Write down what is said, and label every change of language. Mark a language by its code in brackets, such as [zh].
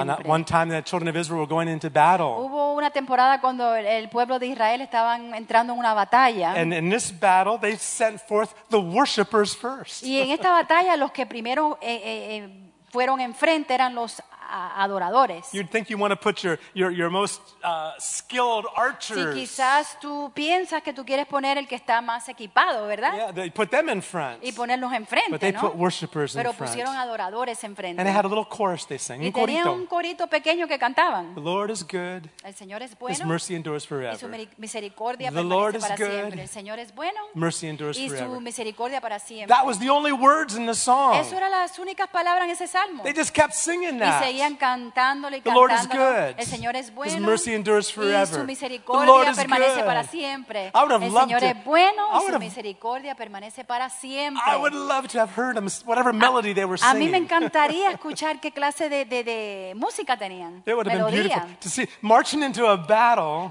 [en] On that one time the children of Israel were going into battle. [es] Hubo una temporada cuando el pueblo de Israel estaban entrando en una batalla. [en] And in this battle they sent forth the worshipers first. [es] Y en esta batalla los que primero fueron enfrente eran los adoradores. [en] You'd think you want to put your most skilled archers. [es] Sí, quizás tú piensas que tú quieres poner el que está más equipado, ¿verdad? [en] Yeah, they put them in front. [es] Y ponerlos enfrente, [en] but they [es] ¿no? [en] put worshipers [es] Pero [en] in front. [es] Pusieron adoradores enfrente. [en] And they had a little chorus they sang. [es] Y tenían un corito pequeño que cantaban. [en] The Lord is good. [es] El Señor es bueno. [en] His mercy endures forever. [es] Y su misericordia [en] the [es] permanece [en] Lord [es] para [en] is good. [es] Siempre. El Señor es bueno. [en] Mercy endures [es] y [en] forever. [es] Y su misericordia para siempre. [en] That was the only words in the song. [es] Eso eran las únicas palabras en ese salmo. [en] They just kept singing that. [es] Y seguían cantándole y [en] the Lord is good. [es] El Señor es bueno. [en] His mercy endures forever. [es] Y su misericordia permanece para siempre. [en] I would have [es] el [en] loved [es] Señor [en] to, [es] es bueno y su misericordia permanece para siempre. [en] I would love to have heard them, whatever melody they were singing. [es] A mí me encantaría escuchar qué clase de música tenían. [en] It would have [es] melodía. [en] Been beautiful to see marching into a battle.